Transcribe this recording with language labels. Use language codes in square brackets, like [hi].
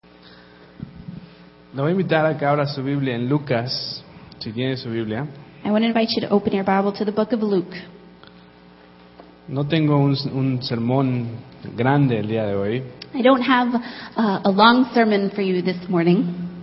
[es] Le voy a invitar a que abra su Biblia en Lucas, si tiene su Biblia. [en] I want to invite you to open your Bible to the book of Luke. [es] No tengo un sermón grande el día de hoy. [en] I don't have a long sermon for you this morning.